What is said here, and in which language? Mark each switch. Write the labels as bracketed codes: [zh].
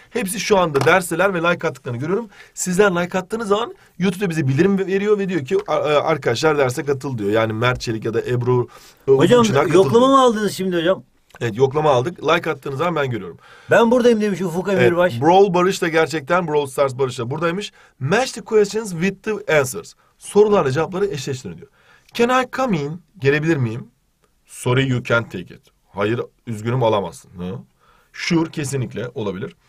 [tr] Hepsi şu anda dersteler ve like attıklarını görüyorum. Sizler like attığınız zaman YouTube'da bize bildirim veriyor ve diyor ki arkadaşlar derse katıl diyor. Yani Merçelik ya da Ebru. Hocam yoklama mı aldınız şimdi hocam? Evet, yoklama aldık. Like attığınız zaman ben görüyorum. Ben buradayım demiş Ufuk Emirbaş. Evet, Brawl Barış da gerçekten, Brawl Stars Barış da buradaymış. [en] Match the questions with the answers. [tr] Sorularla cevapları eşleştirin diyor. [en] Can I come in? [tr] Gelebilir miyim? [en] Sorry you can't take it. [tr] Hayır, üzgünüm, alamazsın. [en] Sure, [tr] kesinlikle olabilir.